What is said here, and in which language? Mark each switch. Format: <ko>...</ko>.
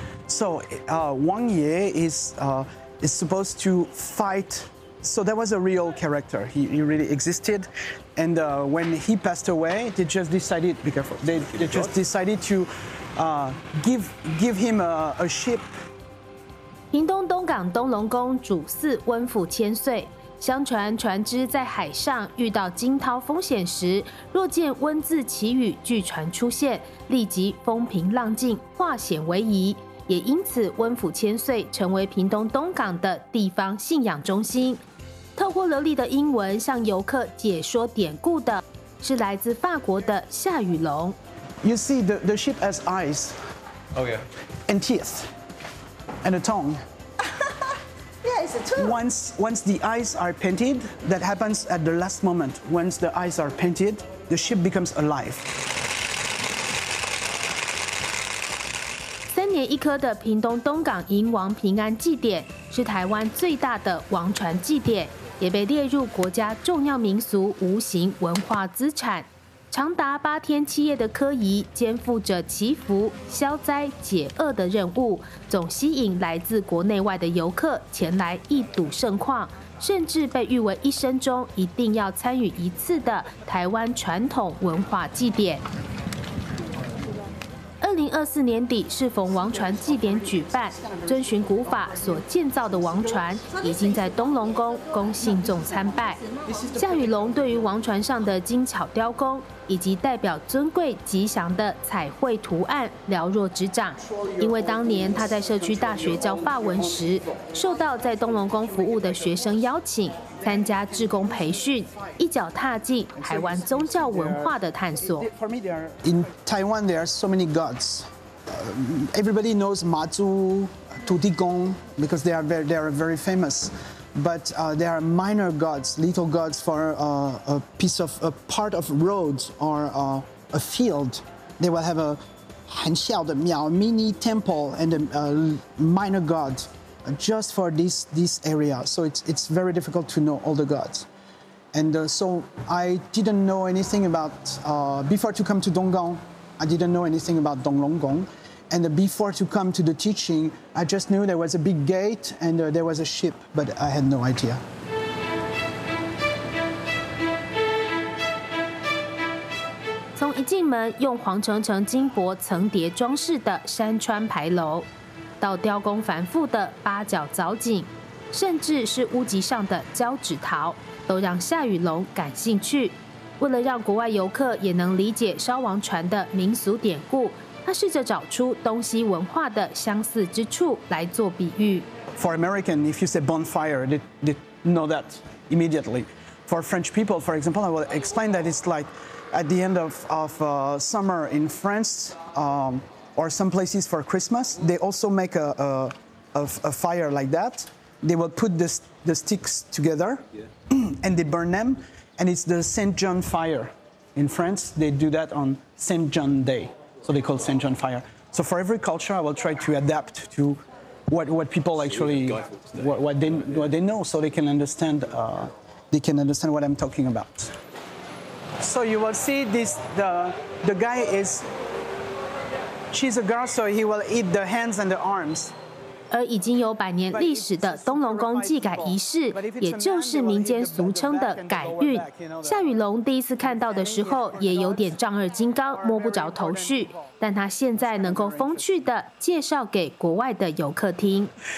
<en>So, Wang Ye is supposed to fight. So that was a real character. He really existed. And when he passed away, they just decided, be careful, they just decided to give him a ship.</en> <zh>屏东东港东龙宫主祀温府千岁。相传船只在海上遇到惊涛风险时，若见温字祈雨巨船出现，立即风平浪静，化险为夷。也因此，温府千岁成为屏东东港的地方信仰中心。透过流利的英文向游客解说典故的是来自法国的夏雨龙。</zh> <en>You see the ship has eyes. Oh yeah. And teeth. And a tongue. Once the eyes are painted, that happens at the last moment. Once the eyes are painted, the ship becomes alive.</en> <zh>三年一颗的屏东东港迎王平安祭典是台湾最大的王船祭典，也被列入国家重要民俗无形文化资产。长达八天七夜的科仪，肩负着祈福、消灾、解厄的任务，总吸引来自国内外的游客前来一睹盛况，甚至被誉为一生中一定要参与一次的台湾传统文化祭典。 2024年底适逢王船祭典举办，遵循古法所建造的王船已经在东龙宫恭信众参拜。夏雨龙对于王船上的精巧雕工以及代表尊贵吉祥的彩绘图案了若指掌，因为当年他在社区大学教法文时，受到在东龙宫服务的学生邀请参加志工培训，一脚踏进台湾宗教文化的探索。</zh> <en>In Taiwan, there are so many gods. Everybody knows 妈祖、土地公 because they are very famous. But there are minor gods, little gods for a piece of a part of road or a field. They will have a</en> <zh>很小的庙</zh> <en>mini temple and a minor god. Just for this area, so it's very difficult to know all the gods, and so I didn't know anything about before to come to Donggang, I didn't know anything about Donglonggong, and before to come to the teaching, I just knew there was a big gate and there was a ship, but I had no idea.</en> <zh>从一进门，用黄澄澄金箔层叠装饰的山川牌楼。到雕工繁复的八角藻井，甚至是屋脊上的胶纸桃，都让夏雨龙感兴趣。为了让国外游客也能理解烧王船的民俗典故，他试着找出东西文化的相似之处来做比喻。</zh> <en>For American, if you say bonfire, they know that immediately. For French people, for example, I will explain that it's like at the end of summer in France. Or some places for Christmas, they also make a fire like that. They will put the sticks together, yeah. And they burn them. And it's the Saint John fire. In France, they do that on Saint John Day, so they call Saint John fire. So for every culture, I will try to adapt to what people actually what they know, so they can understand what I'm talking about. So you will see this the guy is.She's a girl, so he will eat the hands and the arms.</en> <zh>而已经有百年历史的东龙宫祭改仪式，也就是民间俗称的改运。夏雨龙第一次看到的时候，也有点丈二金刚，摸不着头绪。但他现在能够风趣地介绍给国外的游客听。</zh>